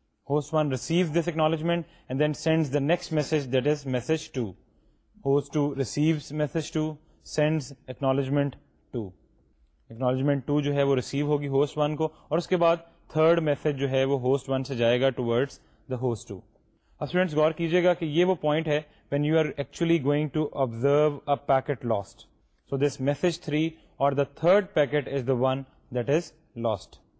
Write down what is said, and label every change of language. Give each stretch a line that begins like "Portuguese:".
English: Host 1 receive this acknowledgement and then sends the next message that is message 2. Host 2 receives message 2, sends acknowledgement 2.
Urdu: Acknowledgement 2 جو ہے وہ receive ہوگی host 1 کو اور اس کے بعد تھرڈ میسج جو ہے وہ ہوسٹ 1 سے جائے گا
English: Towards the host 2.
Urdu: اب اسٹوڈینٹس غور کیجیے گا کہ یہ وہ پوائنٹ ہے
English: When you are actually going to observe a packet lost. So this message 3 or the third packet is the one that is lost.